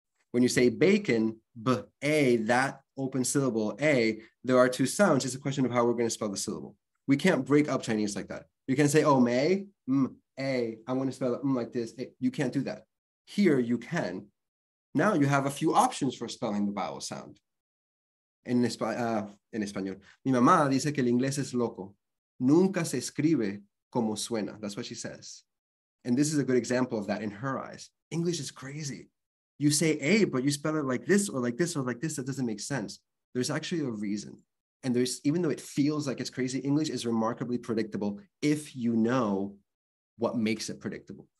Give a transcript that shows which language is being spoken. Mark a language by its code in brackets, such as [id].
[en] When you say bacon, B-A, that open syllable A, there are two sounds. It's a question of how we're going to spell the syllable. We can't break up Chinese like that. You can say, oh, may, M-A, I'm going to spell it like this. You can't do that. Here, you can. Now you have a few options for spelling the vowel sound. [es] En español. Mi mamá dice que el inglés es loco. Nunca se escribe como suena. [en] That's what she says. And this is a good example of that in her eyes. English is crazy. You say A, but you spell it like this or like this or like this. That doesn't make sense. There's actually a reason. And there's, even though it feels like it's crazy, English is remarkably predictable if you know what makes it predictable.